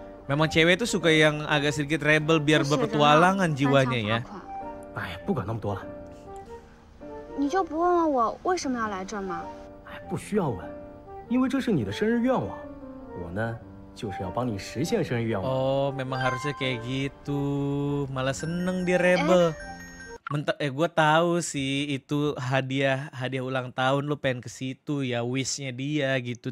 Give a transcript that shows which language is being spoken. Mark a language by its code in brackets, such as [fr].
[id] Memang cewek tuh suka yang agak sedikit rebel biar berpetualangan jiwanya ya. Ayah, bukan nomor dua lah. [zh] 你就不问问我为什么要来这吗？哎，不需要问，因为这是你的生日愿望。我呢，就是要帮你实现生日愿望。 [id] Oh, memang harusnya kayak gitu. Malah seneng dia rebel. Gue tahu sih itu hadiah ulang tahun lu pengen ke situ ya, wishnya dia gitu.